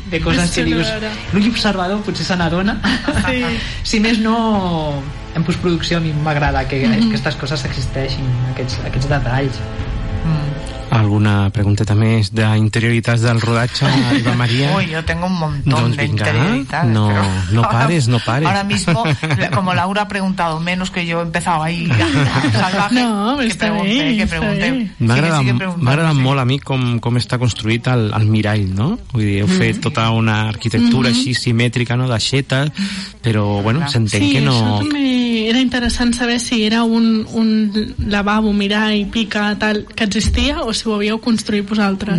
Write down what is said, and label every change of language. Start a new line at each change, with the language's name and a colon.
Catalan: De coses que dius... L'ull observador potser se n'adona. Sí. Si més no... En postproducció a mi m'agrada que aquestes coses existeixin, aquests detalls. Alguna pregunteta més d'interioritats del rodatge, Eva Maria? Ui, jo
Spanish: tengo un montón
Catalan: d'interioritats. No, però... no pares.
Spanish: Ahora mismo, como Laura ha preguntado menos que yo, he empezado ahí. No, está bien.
Catalan: M'agrada molt a mi com està construït el mirall, no? Vull dir, heu fet tota una arquitectura així simètrica, no?, d'aixeta, però, bueno, s'entén que no... Sí, això també era interessant saber si era un lavabo, mirall, pica, tal, que existia, o si ho havíeu construït vosaltres.